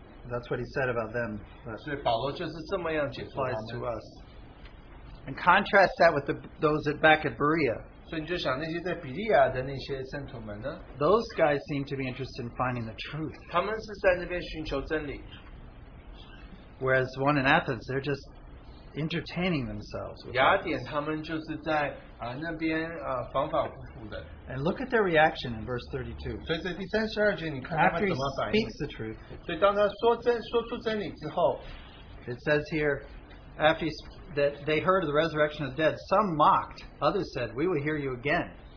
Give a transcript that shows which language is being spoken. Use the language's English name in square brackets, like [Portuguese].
[English] That's what he said about them. Applies to us. And contrast that with those that back at Berea. Those guys seem to be interested in finding the truth. Whereas one in Athens, they're just entertaining themselves. [Chinese] 雅典他们就是在那边反反复复的。 [English] And look at their reaction in verse 32. [Chinese] 所以在第三十二节，你看他们怎么反应。 [English] After he speaks the truth, [Chinese] 所以当他说真说出真理之后, [English] it says here, after that they heard of the resurrection of the dead, some mocked, others said, "We will hear you again."